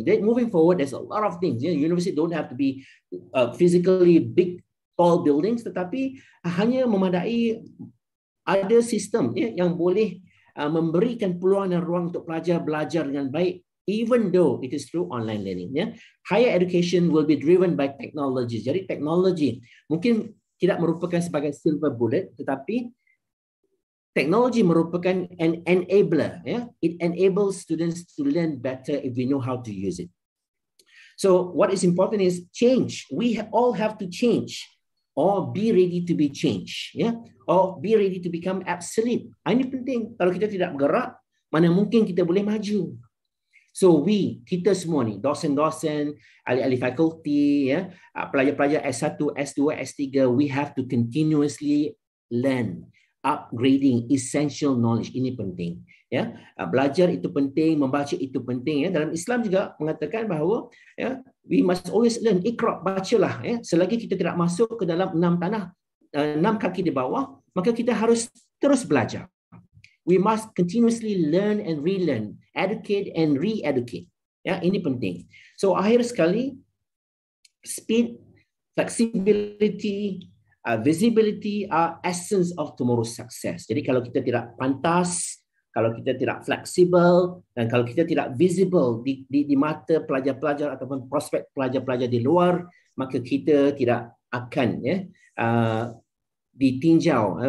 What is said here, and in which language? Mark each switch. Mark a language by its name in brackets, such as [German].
[English] Jadi, moving forward, there's a lot of things. Yeah. University don't have to be physically big tall buildings, [Malay] tetapi hanya memadai ada sistem, yeah, yang boleh memberikan peluang dan ruang untuk pelajar belajar dengan baik, [English] even though it is through online learning. Ya. Higher education will be driven by technology. [Malay] Jadi teknologi mungkin tidak merupakan sebagai silver bullet, tetapi teknologi merupakan an enabler. Ya. [English] It enables students to learn better if we know how to use it. So what is important is change. We all have to change. Or be ready to be changed, yeah. Or be ready to become obsolete. [Malay] Ini penting. Kalau kita tidak bergerak, mana mungkin kita boleh maju? [English] So we, [Malay] kita semua ni, dosen-dosen, ahli-ahli fakulti, yeah, pelajar-pelajar S1, S2, S3, [English] we have to continuously learn, upgrading essential knowledge. [Malay] Ini penting, yeah. Belajar itu penting, membaca itu penting, yeah. Dalam Islam juga mengatakan bahawa, yeah, [English] we must always learn, [Malay] iqra, bacalah, ya. Selagi kita tidak masuk ke dalam 6 kaki di bawah, maka kita harus terus belajar. [English] We must continuously learn and relearn, educate and re-educate. [Malay] Ya, ini penting. [English] So [Malay] akhir sekali, [English] speed, flexibility, visibility are essence of tomorrow's success. [Malay] Jadi kalau kita tidak pantas, kalau kita tidak fleksibel dan kalau kita tidak visible di mata pelajar-pelajar ataupun prospek pelajar-pelajar di luar, maka kita tidak akan, ya, ditinjau.